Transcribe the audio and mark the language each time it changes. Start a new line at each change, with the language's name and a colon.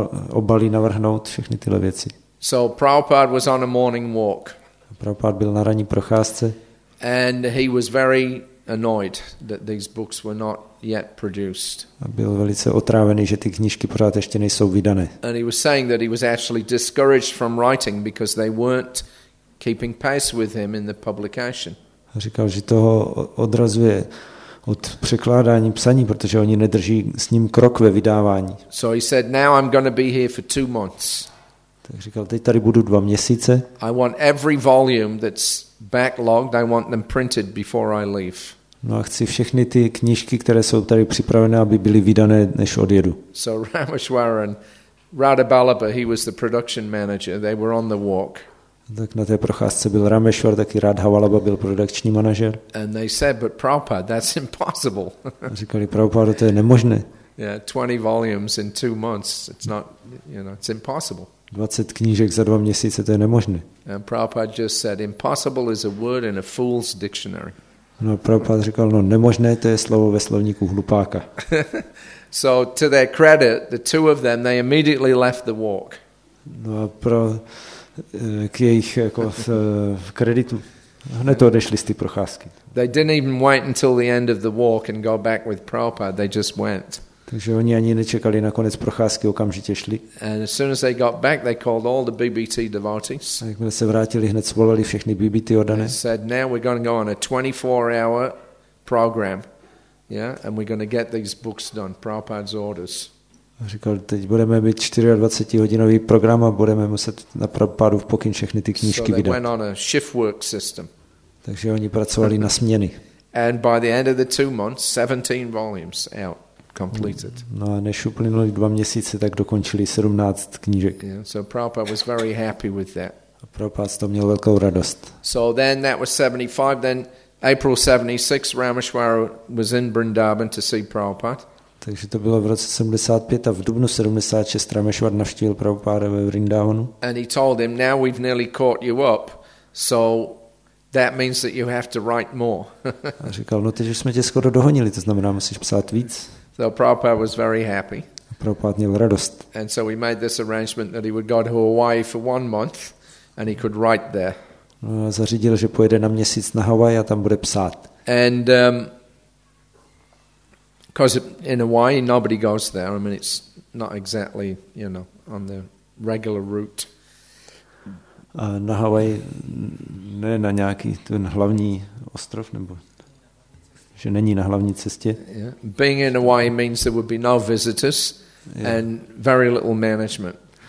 Czech: Obaly navrhnout, všechny tyhle věci.
English: So Prabhupada was on a morning walk.
Czech: Prabhupada byl na ranní procházce.
English: And he was very annoyed that these books were not yet produced.
Czech: A byl velice otrávený, že ty knížky pořád ještě nejsou vydané.
English: And he was saying that he was actually discouraged from writing because they weren't keeping pace with him in the publication.
Czech: A říkal, že toho odrazuje od překládání psaní, protože oni nedrží s ním krok ve vydávání.
English: So he said, now I'm going to be here for 2 months.
Czech: Tak říkal, teď tady budu 2 měsíce.
English: I want every volume that's backlogged, I want them printed before I leave.
Czech: No a chci všechny ty knížky, které jsou tady připravené, aby byly vydané, než odjedu.
English: So Rameshwaran, Radha Balaba, he was the production manager, they were on the walk.
Czech: Tak na té procházce byl Rameshwar, taky Radha Balaba byl produkční manažer.
English: And they said, but Prabhupada, that's impossible.
Czech: Říkali, Prabhupada, to je nemožné.
English: Yeah, 20 volumes in 2 months, it's not, you know, it's impossible.
Czech: 20 knížek za 2 měsíce, to je nemožné.
English: And Prabhupada just said, impossible is a word in a fool's dictionary.
Czech: No, Prabhupada říkal, no nemožné, to je slovo ve slovníku hlupáka.
English: So to their credit, the two of them, they immediately left the walk.
Czech: No a pro k jejich jako v kreditu. Hned to odešli z ty procházky.
English: They didn't even wait until the end of the walk and go back with Prabhupada. They just went.
Czech: Takže oni ani nečekali na konec procházky, okamžitě šli.
English: And as soon as they got back, they called all the BBT devotees.
Czech: A jakmile se vrátili, hned svolali všechny BBT odané.
English: They said, now we're going to go on a 24-hour program, yeah, and we're going to get these books done, Prabhupada's orders.
Czech: A říkal, teď budeme mít 24-hodinový program a budeme muset na Prabhupádův pokyn všechny ty knížky vydat.
English: So they went on a shift work system.
Czech: Takže oni pracovali na směny.
English: And by the end of the 2 months, 17 volumes out.
Czech: K
English: completed.
Czech: No, a než uplynuli dva měsíce, tak dokončili 17 knížek.
English: Yeah, so Prabhupada was very happy with that.
Czech: A Prabhupada z toho měl velkou radost.
English: So then that was 75, then April 76 Rameshwara was in Vrindavan to see Prabhupada.
Czech: Takže to bylo v roce 75 a v dubnu 76 Rameshwar navštívil Prabhupada ve Vrindavanu.
English: And he told him, now we've nearly caught you up, so that means that you have to write more.
Czech: A říkal, no teď už jsme tě skoro dohonili, to znamená, musíš psát víc.
English: So Prabhupada was very happy.
Czech: A Prabhupada měl radost.
English: And so we made this arrangement that he would go to Hawaii for 1 month and he could write there.
Czech: No, zařídil, že pojede na měsíc na Hawaii a tam bude psát.
English: And because in Hawaii nobody goes there. I mean, it's not exactly, you know, on the regular route.
Czech: Na Hawaii, ne na nějaký ten hlavní ostrov, nebo že není na hlavní cestě.
English: Yeah. Being in Hawaii means there would be no visitors and very little management.